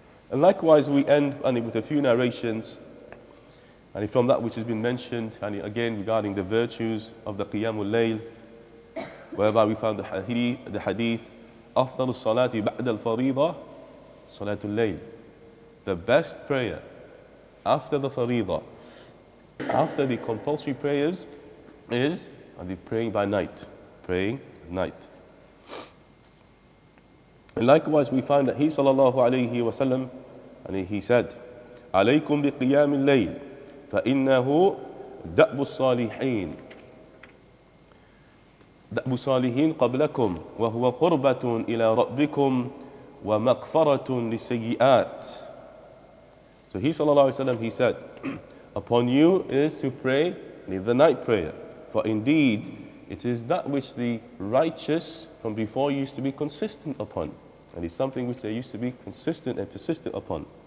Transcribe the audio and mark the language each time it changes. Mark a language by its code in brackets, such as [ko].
[en] And likewise we end with a few narrations from that which has been mentioned again regarding the virtues of the Qiyamul Layl, whereby we found the hadith [ar] أفضل الصلاة بعد الفريضة صلاة الليل. [en] The best prayer after the فريضة, after the compulsory prayers, is the praying by night. Praying night. And likewise we find that he [ar] صلى الله عليه وسلم [en] he said [ar] عليكم بقيام الليل فإنه دأب الصالحين. دأب صالحين قبلكم وهو قربة إلى ربكم ومغفرة للسيئات. [en] So he [ar] صلى الله عليه وسلم [en] he said, upon you is to pray the night prayer. For indeed it is that which the righteous from before used to be consistent upon, and it's something which they used to be consistent and persistent upon.